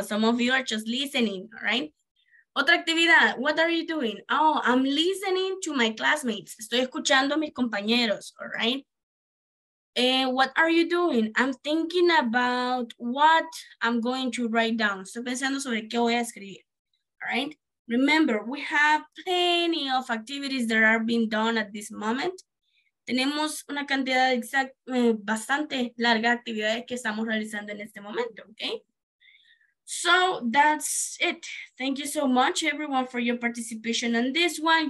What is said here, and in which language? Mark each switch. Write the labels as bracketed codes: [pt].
[en] Some of you are just listening, all right? [es] Otra actividad, [en] what are you doing? Oh, I'm listening to my classmates. [es] Estoy escuchando a mis compañeros, [en] all right? And what are you doing? I'm thinking about what I'm going to write down. [es] Estoy pensando sobre qué voy a escribir, [en] all right? Remember, we have plenty of activities that are being done at this moment. [es] Tenemos una cantidad bastante larga de actividades que estamos realizando en este momento, okay? [en] So that's it. Thank you so much, everyone, for your participation on this one.